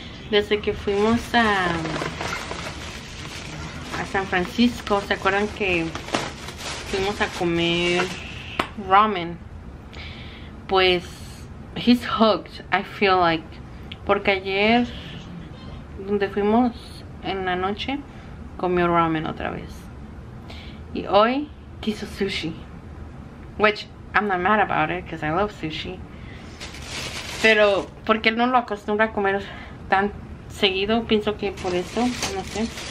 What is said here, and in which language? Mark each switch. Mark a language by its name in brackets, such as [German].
[Spanish] Desde que fuimos a San Francisco, ¿se acuerdan que fuimos a comer ramen? Pues, [English] he's hooked, I feel like. [Spanish] Porque ayer, donde fuimos en la noche, comió ramen otra vez. Y hoy, quiso sushi. [English] Which, I'm not mad about it, because I love sushi. [Spanish] Pero, porque él no lo acostumbra a comer tan seguido, pienso que por eso, no sé.